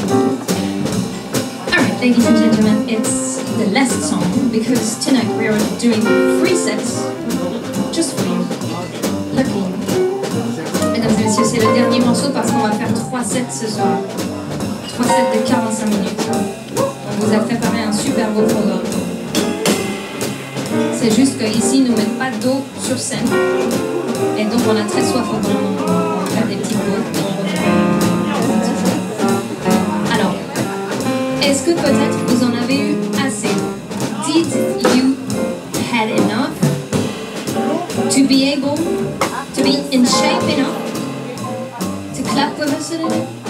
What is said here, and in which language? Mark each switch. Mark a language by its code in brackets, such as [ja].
[en] Ladies and gentlemen, it's the last song because tonight we are doing three sets just for you. Lucky. [fr] Mesdames et messieurs, c'est le dernier morceau parce qu'on va faire trois sets ce soir. Trois sets de 45 minutes. On vous a préparé un super beau programme. C'est juste qu'ici, ils ne mettent pas d'eau sur scène. Et donc, on a très soif au moment. On va faire des petites pauses. Alors, est-ce que peut-être vous en avez eu assez? [en] Did you had enough to be able to be in shape enough to clap with us today?